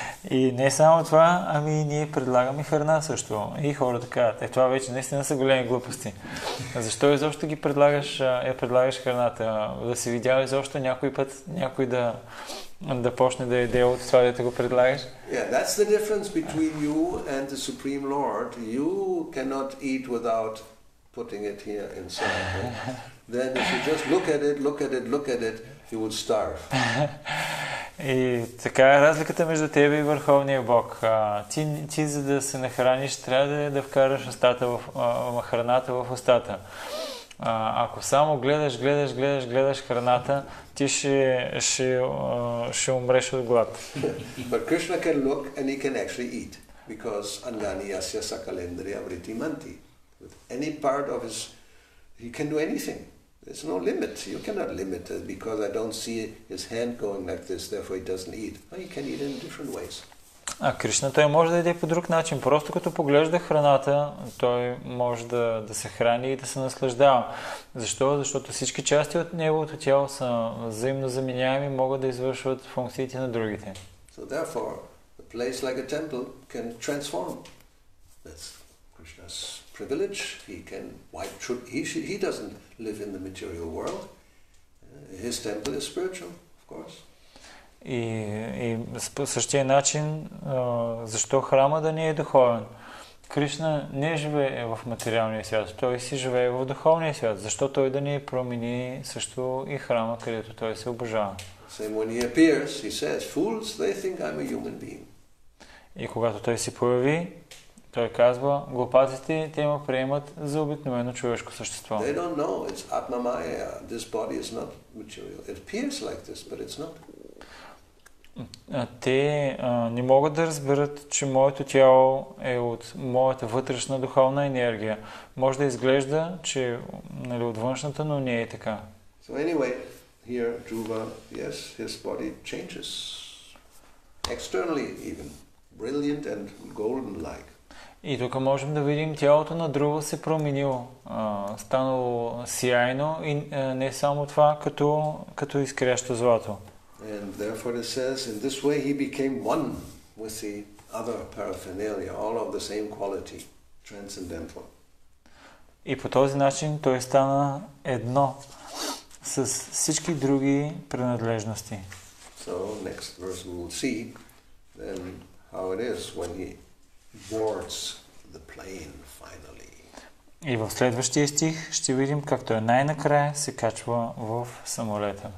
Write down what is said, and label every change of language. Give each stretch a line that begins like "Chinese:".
Bulgarian: И не само това, ами ние предлагаме храна също. И хората казват, това вече наистина са големи глупости. Защо изобщо ги предлагаш, я предлагаш храната? Да си видял изобщо някой път, някой да почне да яде от това, да го предлагаш?
English: Yeah, that's the difference between you and the Supreme Lord. You cannot eat without putting it here inside. Then if you just look at it, you would starve.
Bulgarian: И така е разликата между тебе и Върховния Бог. Ти за да се нахраниш, трябва да вкараш храната в устата. Ако само гледаш храната, ти ще умреш от глад.
English: But Krishna can look and he can actually eat. Because
Sanskrit: Angani Asya Sakalendriya Vritti Manti.
English: With any part of his... He can do anything. There's no limit. You cannot limit it because I don't see his hand going like this, therefore he doesn't eat. But he can eat in different ways.
Bulgarian: А Кришна той може да иде по друг начин. Просто като поглежда храната, той може да се храни и да се наслаждава. Защо? Защото всички части от неговото тяло са взаимно заменяеми, могат да извършват функциите на другите.
English: So therefore, a place like a temple can transform. That's Krishna's privilege. He can wipe through. He doesn't live in the material world. His temple is spiritual, of course.
Bulgarian: И по същия начин, защо храма да не е духовен? Кришна не живее в материалния свят, той си живее в духовния свят. Защо той да не промени също и храма, където той се обожава?
English: Same when he appears, he says, fools, they think I'm a human being.
Bulgarian: И когато той се появи, той казва, глупаците те ме приемат за обикновено човешко същество.
English: They don't know, it's Atma Maya. This body is not material. It appears like this, but it's not.
Bulgarian: Те не могат да разберат, че моето тяло е от моята вътрешна духовна енергия. Може да изглежда, че нали, от външната, но не е така.
English: So anyway, here Dhruva, yes, his body changes. Externally even, brilliant and golden-like.
Bulgarian: И тук можем да видим, тялото на Друва се променило, станало сияйно и не само това, като изкрящо злато.
English: And therefore it says, in this way he became one with the other paraphernalia, all of the same quality, transcendental.
Bulgarian: И по този начин той стана едно с всички други принадлежности.
English: So, next verse we will see then how it is when he boards the plane finally.
Bulgarian: И в следващия стих ще видим как той най-накрая се качва в самолета.